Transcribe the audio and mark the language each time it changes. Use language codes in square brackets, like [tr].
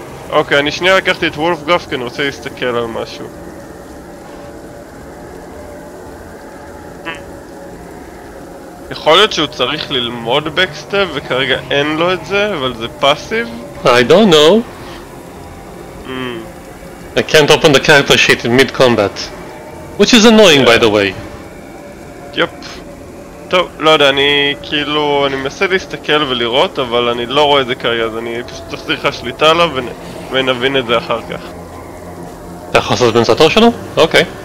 [he] אוקיי, אני שנייה לקחתי את וולף גרף, כי אני רוצה להסתכל על משהו. יכול להיות שהוא צריך ללמוד בקסטב וכרגע אין לו את זה, אבל זה פאסיב? [en] I don't know. I can't open the character sheet in mid-combat. Which is annoying, by the way. [he] יופ. טוב, לא יודע, אני כאילו, אני מנסה להסתכל ולראות, אבל אני לא רואה את זה כרגע, אז אני פשוט אחזיר לך שליטה עליו ונבין את זה אחר כך. אתה יכול לעשות את זה באמצע התור שלו? אוקיי.